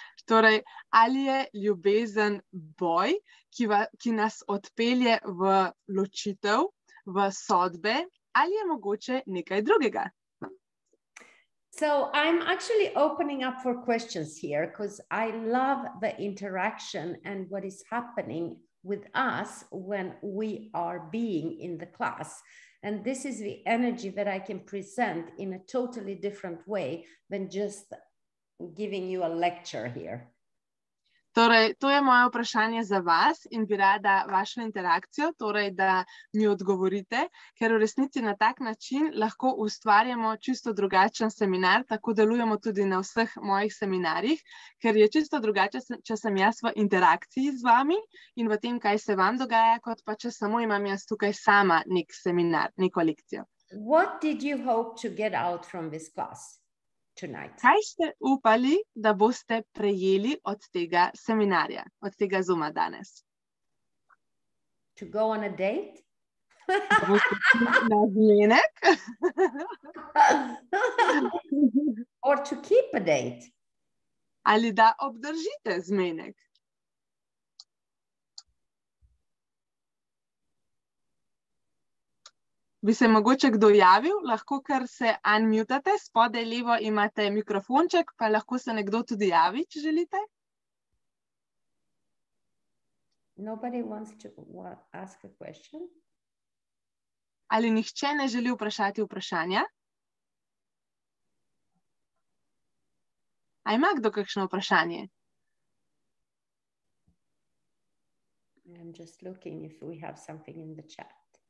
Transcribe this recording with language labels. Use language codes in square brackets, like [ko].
[sl] Torej, ali je ljubezen boj, ki nas odpelje v ločitev, v sodbe, ali je mogoče nekaj drugega? [en] So I'm actually opening up for questions here because I love the interaction and what is happening with us when we are being in the class. And this is the energy that I can present in a totally different way than just giving you a lecture here. [sl] Torej, to je moje vprašanje za vas in bi rada vašo interakcijo, torej, da mi odgovorite, ker v resnici na tak način lahko ustvarjamo čisto drugačen seminar, tako delujemo tudi na vseh mojih seminarjih, ker je čisto drugače, če sem jaz v interakciji z vami in v tem, kaj se vam dogaja, kot pa če samo imam jaz tukaj sama nek seminar, neko lekcijo. [en] What did you hope to get out from this class tonight? [sl] Kaj ste upali, da boste prejeli od tega seminarja, od tega Zooma danes? [en] To go on a date? [sl] Da boste prišli na zmenek? [en] Or to keep a date? [sl] Ali da obdržite zmenek? Bi se mogoče kdo javil, lahko kar se unmutate, spodaj levo imate mikrofonček, pa lahko se nekdo tudi javi, če želite. [en] Nobody wants to ask a question. [sl] Ali nihče ne želi vprašati vprašanja? A ima kdo kakšno vprašanje? [en] I'm just looking if we have something in the chat.